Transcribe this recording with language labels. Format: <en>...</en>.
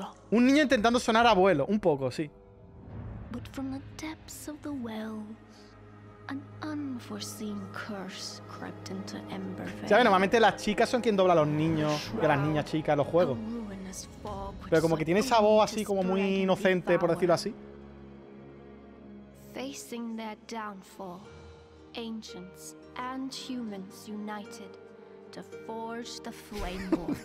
<es>Un niño intentando sonar abuelo, un poco, sí.</es> <en>But from the depths of the wells, an unforeseen curse crept into Embervale.</en> <es>Ya, normalmente las chicas son quien dobla a los niños de las niñas chicas en los juegos. Pero como que tiene esa voz así como muy inocente, por decirlo así.</es> <en>Facing their downfall, ancients and humans united to forge the flame war.</en>